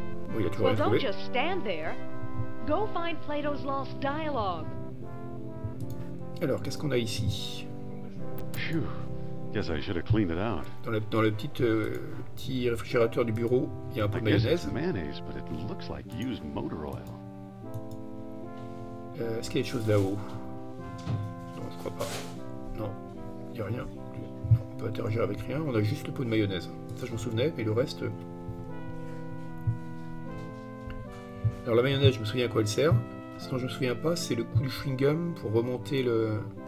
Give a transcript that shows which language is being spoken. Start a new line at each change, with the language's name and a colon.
French: Oui, il a toujours rien trouvé.
English: Well, don't just stand there. Go find Plato's lost dialogue.
French: Alors, qu'est-ce qu'on a ici ?
English: Phew. Guess I should have cleaned it out.
French: Dans le petit réfrigérateur du bureau, il y a un peu de mayonnaise.
English: I guess it's mayonnaise, but it looks like used motor oil.
French: Est-ce qu'il y a des choses là-haut ? Non, je crois pas. Non, il y a rien. On peut interagir avec rien, on a juste le pot de mayonnaise. Ça, je m'en souvenais, mais le reste... Alors, la mayonnaise, je me souviens à quoi elle sert. Ce dont je me souviens pas, c'est le coup du chewing-gum pour remonter le...